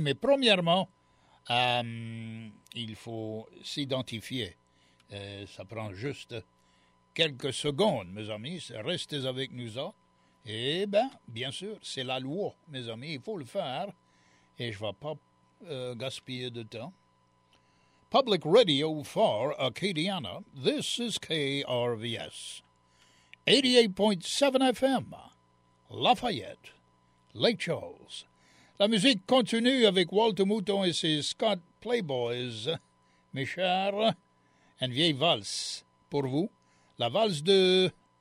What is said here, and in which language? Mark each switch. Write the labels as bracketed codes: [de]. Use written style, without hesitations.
[fr] Mais premièrement, il faut s'identifier. Ça prend juste quelques secondes, mes amis. Restez avec nous autres. Eh bien, bien sûr, c'est la loi, mes amis, il faut le faire, et je ne vais pas gaspiller de temps. [en] Public Radio for Acadiana, this is KRVS, 88.7 FM, Lafayette, Lake Charles. [fr] La musique continue avec Walter Mouton et ses Scott Playboys, mes chers, une vieille valse pour vous, la valse de...